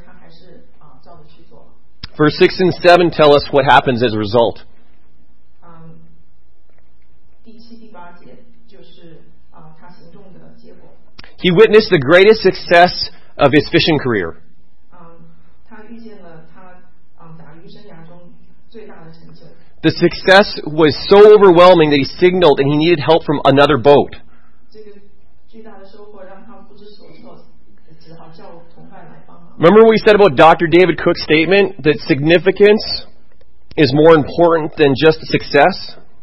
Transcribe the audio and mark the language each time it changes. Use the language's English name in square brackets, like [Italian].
[English] 6 and 7 tell us what happens as a result. [Chinese] 第七、第八节就是他行动的结果。 [English] He witnessed the greatest success of his fishing career. [Chinese] 他遇见了他打鱼生涯中最大的成就。 [English] The success was so overwhelming that he signaled and he needed help from another boat. [Chinese] 这个巨大的收获让他不知所措，只好叫同伴来帮忙。 [English] Remember what we said about Dr. David Cook's statement that significance is more important than just success?